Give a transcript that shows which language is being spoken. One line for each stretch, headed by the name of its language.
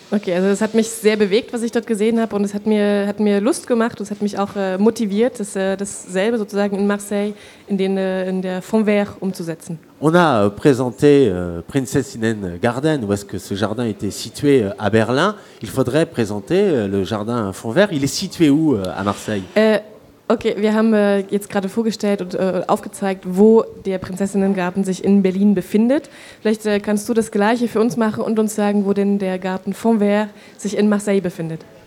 German: Okay, also das hat mich sehr bewegt, was ich dort gesehen habe, und es hat mir Lust gemacht, es hat mich auch motiviert, dasselbe sozusagen in Marseille, in der Fontvert umzusetzen.
French: On a présenté Prinzessinnengarten, où est-ce que ce jardin était situé à Berlin. Il faudrait présenter le jardin Fontvert. Il est situé où à Marseille?
German: Okay, wir haben jetzt gerade vorgestellt und aufgezeigt, wo der Prinzessinnengarten sich in Berlin befindet. Vielleicht kannst du das Gleiche für uns machen und uns sagen, wo denn der Garten Fontvert sich in Marseille befindet.